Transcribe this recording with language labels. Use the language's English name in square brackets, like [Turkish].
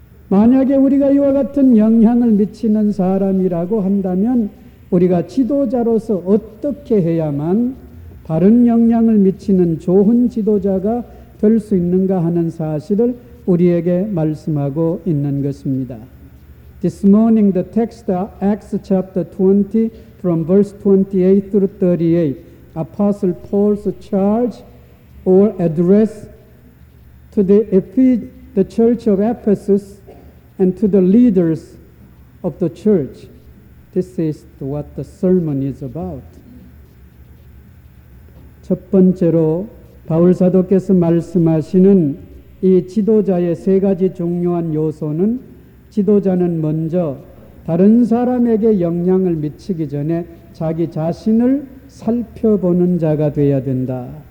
[Korean] 만약에 우리가 이와 같은 영향을 미치는 사람이라고 한다면 우리가 지도자로서 어떻게 해야만 다른 영향을 미치는 좋은 지도자가 될 수 있는가 하는 사실을 우리에게 말씀하고 있는 것입니다. [English] This morning the text Acts chapter 20 from verse 28 through 38 Apostle Paul's charge or address to the church of Ephesus and to the leaders of the church. This is what the sermon is about. [Korean] 첫 번째로 바울 사도께서 말씀하시는 이 지도자의 세 가지 중요한 요소는 지도자는 먼저 다른 사람에게 영향을 미치기 전에 자기 자신을 살펴보는 자가 되어야 된다.